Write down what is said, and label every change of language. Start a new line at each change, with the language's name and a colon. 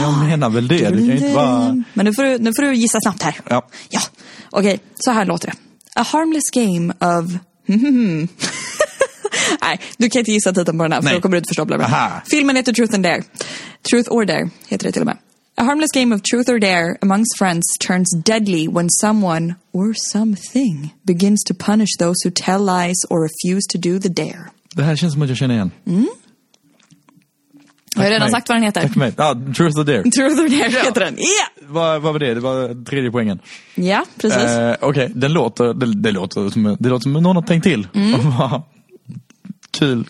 Swedish: Jag menar väl det. Du kan inte bara... Men nu får du gissa snabbt här. Ja. Ja. Okej, så här låter det.
English: A harmless game of...
Swedish: Nej, du kan inte gissa titeln på den här. För då kommer du inte förstå. Filmen heter Truth and Dare. Truth or Dare heter det till och med.
English: A harmless game of truth or dare amongst friends turns deadly when someone or something begins to punish those who tell lies or refuse to do the dare.
Swedish: Det här känns som att jag känner igen. Mm. Har du redan sagt vad den heter? Tack mig. Ah, Truth or Dare. Truth or Dare heter den.
English: Yeah!
Swedish: Vad var det? Det var tredje poängen. Ja,
English: yeah,
Swedish: precis. Okej, okay. Det låter som någon har tänkt till. Kul.